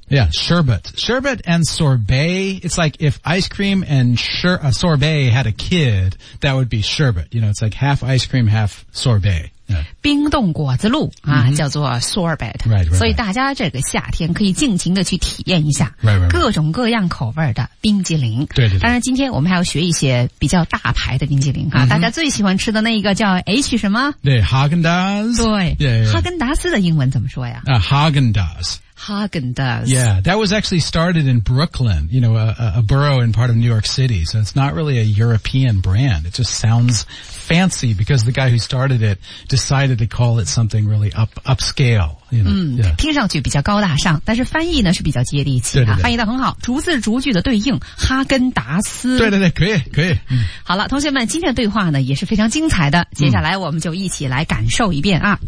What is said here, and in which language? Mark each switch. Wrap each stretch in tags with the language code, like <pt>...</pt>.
<en>yeah sherbet sherbet and sorbet it's like if ice cream and sorbet had a kid that would be sherbet you know it's like half ice cream half sorbet</en> <zh>冰冻果子露、啊 mm-hmm. 叫做 sorbet</zh> <en>right, right, right.</en> <zh>所以大家这个夏天可以尽情的去体验一下</zh> <en>right, right, right.</en> <zh>各种各样口味的冰激凌对对对当然今天我们还要学一些比较大牌的冰激凌、啊 mm-hmm. 大家最喜欢吃的那一个叫 H 什么对 Häagen-Dazs 对</zh> <en>yeah, yeah.</en> <zh>哈根达斯的英文怎么说呀、</zh> <en>Häagen-Dazs Häagen-Dazs. Yeah, that was actually started in Brooklyn, you know, a borough in part of New York City. So it's not really a European brand. It just sounds fancy because the guy who started it decided to call it something really upscale. You know, 嗯、 yeah.</en> <zh>听上去比较高大上但是翻译呢是比较接地气、啊、对对对翻译得很好逐字逐句的对应哈根达斯对对对可以可以、嗯、好了同学们今天的对话呢也是非常精彩的接下来我们就一起来感受一遍啊、</zh>